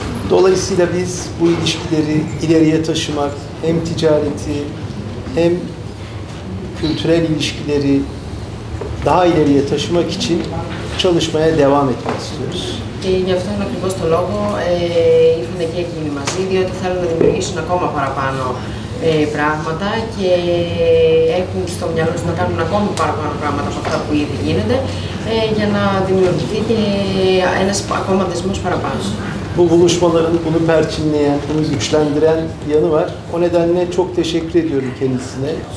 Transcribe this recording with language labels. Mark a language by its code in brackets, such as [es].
[tr] Dolayısıyla biz bu ilişkileri ileriye taşımak, hem ticareti hem kültürel ilişkileri daha ileriye taşımak için çalışmaya devam etmek istiyoruz. [el] Και γι' αυτό είναι ακριβώς το λόγο ήρθαν και εκείνοι μαζί, διότι θέλουν να δημιουργήσουν ακόμα παραπάνω πράγματα και έχουν στο μυαλό τους να κάνουν ακόμη παραπάνω πράγματα από αυτά που ήδη γίνονται για να δημιουργηθεί και ένας ακόμα δεσμός παραπάνω. [tr] Bu buluşmaların bunu perçinleyen, bunu güçlendiren yanı var. O nedenle çok teşekkür ediyorum kendisine.